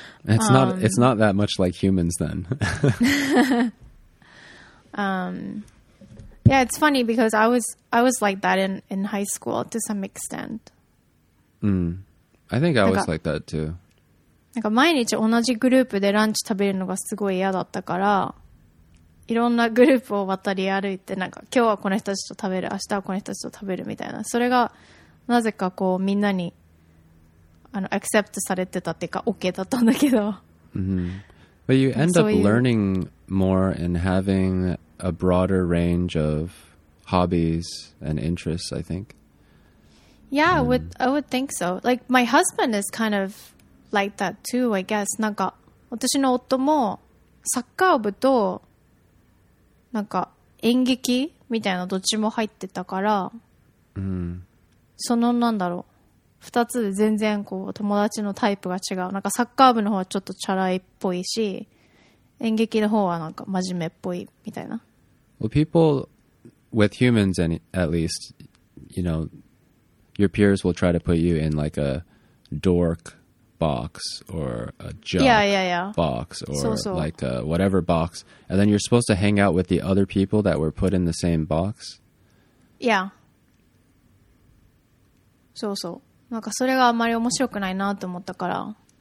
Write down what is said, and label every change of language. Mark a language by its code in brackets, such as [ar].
[en] It's not that much like humans then. yeah, it's funny because I was like that in high school to some extent. I think I was like that too. [ja] なんか毎日同じグループでランチ食べるのがすごい嫌だったから、いろんなグループを渡り歩いて、なんか今日はこの人たちと食べる、明日はこの人たちと食べるみたいな、それがなぜかこうみんなにアクセプトされてたっていうか OK だったんだけど、 mm-hmm. [en] But you end up learning more and having a broader range of hobbies and interests, I think. Yeah, I would think so. Like my husband is kind of like that too, I guess. [ja] なんか私の夫もサッカー部となんか演劇みたいなどっちも入ってたから、そのなんだろう、2つで全然こう友達のタイプが違う。なんかサッカー部の方はちょっとチャラいっぽいし、演劇の方はなんか真面目っぽいみたいな。 [en] Well, people with humans at least, you know, your peers will try to put you in like a dork box or a joke box or like a whatever box, and then you're supposed to hang out with the other people that were put in the same box. Yeah. So so. [ja] なんかそれがあまり面白くないなと思ったから。